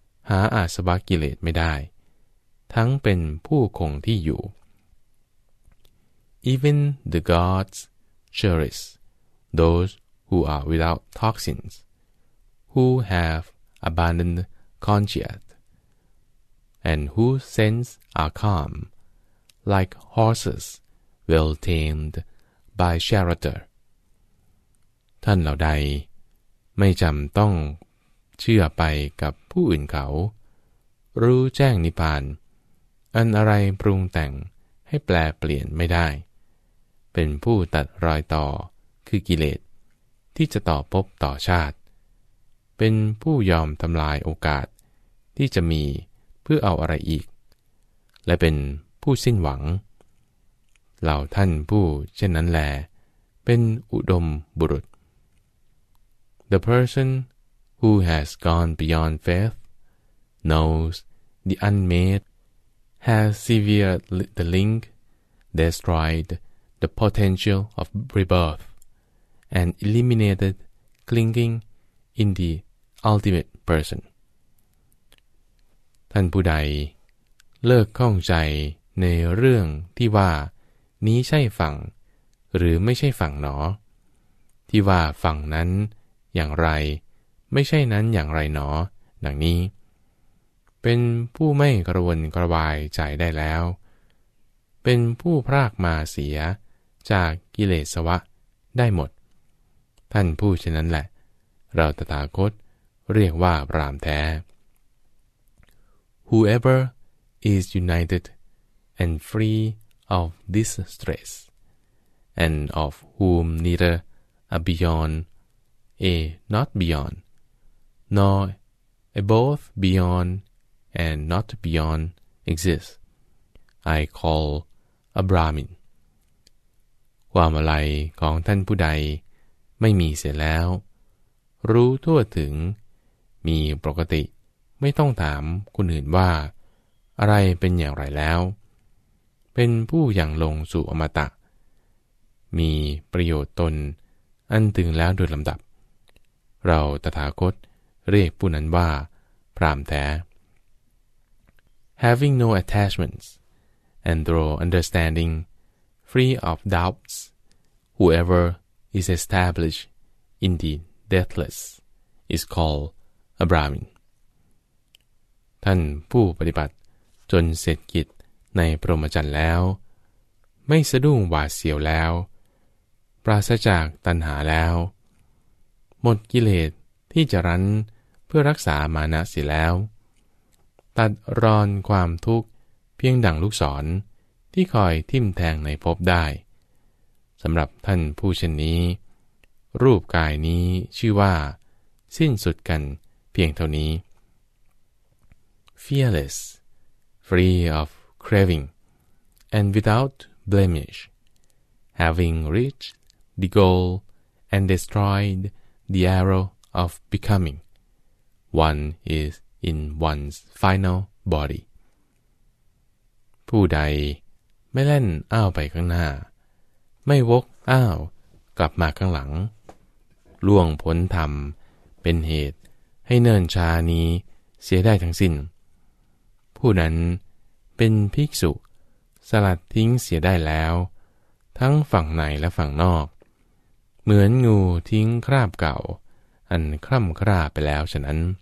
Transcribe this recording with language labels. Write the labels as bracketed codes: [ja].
[th] หาอาสวะกิเลสไม่ได้ทั้งเป็นผู้คงที่อยู่ [en] Even the gods cherish those who are without toxins, who have abandoned conscience, and whose sense are calm, like horses well tamed by shelter. [th] ท่านเหล่าใดไม่จำต้องเชื่อไปกับผู้อื่นเขารู้แจ้งนิพพานอันอะไรปรุงแต่งให้แปลเปลี่ยนไม่ได้ เป็นผู้ตัดรอยต่อคือกิเลสที่จะต่อภพต่อชาติเป็นผู้ยอมทำลายโอกาสที่จะมีเพื่อเอาอะไรอีกและเป็นผู้สิ้นหวังเหล่าท่านผู้เช่นนั้นแลเป็นอุดมบุรุษ [en] The person who has gone beyond faith knows the unmade has severed the link, destroyed the potential of rebirth, and eliminated clinging in the ultimate person. [th] ท่านผู้ใดเลิกข้องใจในเรื่องที่ว่านี้ใช่ฝั่งหรือไม่ใช่ฝั่งหนอที่ว่าฝั่งนั้นอย่างไรไม่ใช่นั้นอย่างไรหนอดังนี้เป็นผู้ไม่กระวนกระวายใจได้แล้วเป็นผู้พรากมาเสียจากกิเลสวะได้หมดท่านผู้เช่นนั้นแหละเราตถาคตเรียกว่าพราหมณ์แท้ [en] Whoever is united and freeOf this stress, and of whom neither a beyond, a not beyond, nor a both beyond and not beyond exists, I call a Brahmin. [th] ความอะไรของท่านผู้ใดไม่มีเสียแล้วรู้ทั่วถึงมีปกติไม่ต้องถามคนอื่นว่าอะไรเป็นอย่างไรแล้วเป็นผู้อย่างลงสู่อมตะมีประโยชน์ตนอันถึงแล้วโดยลำดับเราตถาคตเรียกผู้นั้นว่าพราหมณ์แท้ [en] Having no attachments and through understanding free of doubts whoever is established in the deathless is called a Brahmin [th] ท่านผู้ปฏิบัติจนเสร็จกิจในพรหมจรรย์แล้วไม่สะดุ้งหวาดเสียวแล้วปราศจากตัณหาแล้วหมดกิเลสที่จะรั้นเพื่อรักษามานะเสียแล้วตัดรอนความทุกข์เพียงดั่งลูกศรที่คอยทิ่มแทงในภพได้สำหรับท่านผู้เช่นนี้รูปกายนี้ชื่อว่าสิ้นสุดกันเพียงเท่านี้ [en] Fearless free ofcraving, and without blemish, having reached the goal and destroyed the arrow of becoming, one is in one's final body. [th] ผู้ใดไม่เล่นอ้าวไปข้างหน้าไม่วกอ้าวกลับมาข้างหลังล่วงพ้นธรรมเป็นเหตุให้เนิ่นช้านี้เสียได้ทั้งสิ้นผู้นั้นเป็นภิกษุสลัดทิ้งเสียได้แล้วทั้งฝั่งในและฝั่งนอกเหมือนงูทิ้งคราบเก่าอันคร่ำคร่าไปแล้วฉะนั้น